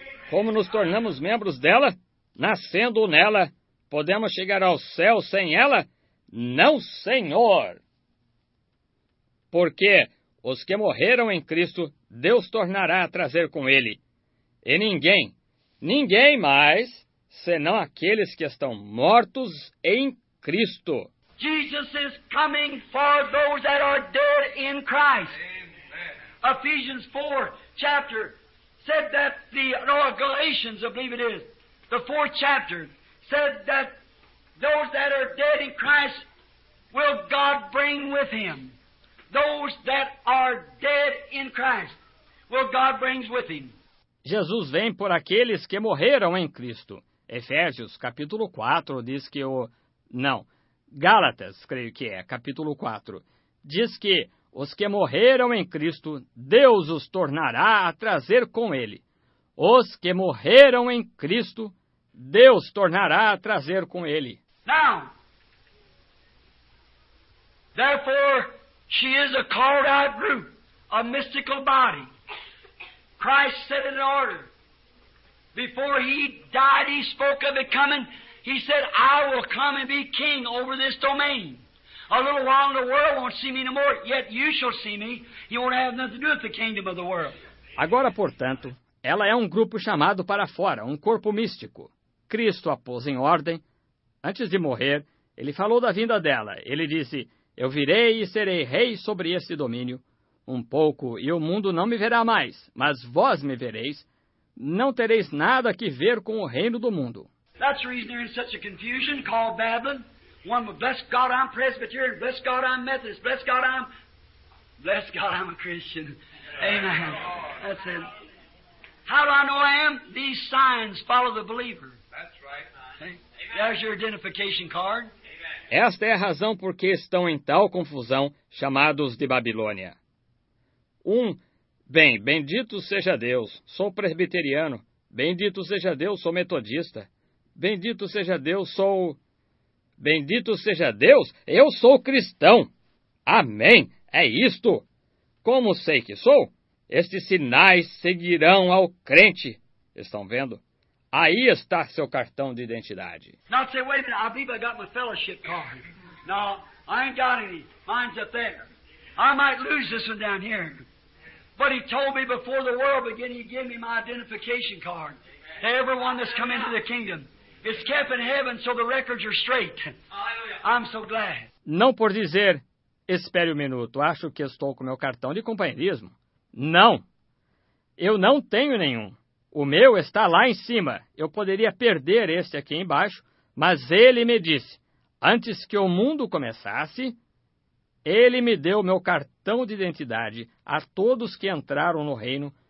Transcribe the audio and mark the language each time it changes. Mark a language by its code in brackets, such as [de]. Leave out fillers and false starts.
[pt] Como nos tornamos membros dela? Nascendo nela. Podemos chegar ao céu sem ela? Não, Senhor! Porque os que morreram em Cristo, Deus tornará a trazer com ele. E ninguém, ninguém mais, senão aqueles que estão mortos em Cristo. [en] Jesus is coming for those that are dead in Christ. Amen. Ephesians 4, chapter, said that the, no, Galatians, I believe it is, the fourth chapter, said that those that are dead in Christ will God bring with him. Those that are dead in Christ will God bring with him. [pt] Jesus vem por aqueles que morreram em Cristo. Efésios capítulo 4 diz que o... Não, Gálatas, creio que é, capítulo 4. Diz que os que morreram em Cristo, Deus os tornará a trazer com ele. Os que morreram em Cristo... Deus tornará a trazer com ele. [en] Now, therefore, she is a called out group, a mystical body. Christ set it in order. Before he died, he spoke of it coming. He said, "I will come and be king over this domain. A little while and the world won't see me no more, yet you shall see me." You won't have nothing to do with the kingdom of the world. [pt] Agora, portanto, Ela é um grupo chamado para fora, um corpo místico. Cristo a pôs em ordem. Antes de morrer, ele falou da vinda dela. Ele disse, eu virei e serei rei sobre este domínio. Um pouco, e o mundo não me verá mais, mas vós me vereis. Não tereis nada que ver com o reino do mundo. [en] That's the reason they're in such a confusion called Babylon. One, bless God, I'm Presbyterian. Bless God, I'm Methodist. Bless God, I'm a Christian. Amen. That's it. How do I know I am? These signs follow the believer. That's right. There's your identification card. [pt] Esta é a razão por que estão em tal confusão, chamados de Babilônia. Bem, bendito seja Deus, sou presbiteriano. Bendito seja Deus, sou metodista. Bendito seja Deus, sou... Bendito seja Deus, eu sou cristão. Amém, é isto. Como sei que sou? Estes sinais seguirão ao crente. Estão vendo? Aí está seu cartão de identidade. [en] Now say, wait a minute, I believe I got my fellowship card. No, I ain't got any. Mine's up there. I might lose this one down here. But he told me before the world began, he gave me my identification card. To everyone that's come into the kingdom. It's kept in heaven, so the records are straight. I'm so glad. [pt] Não por dizer, espere um minuto, acho que estou com meu cartão de companheirismo. Não. Eu não tenho nenhum. O meu está lá em cima. Eu poderia perder este aqui embaixo, mas ele me disse, antes que o mundo começasse, ele me deu meu cartão de identidade a todos que entraram no reino.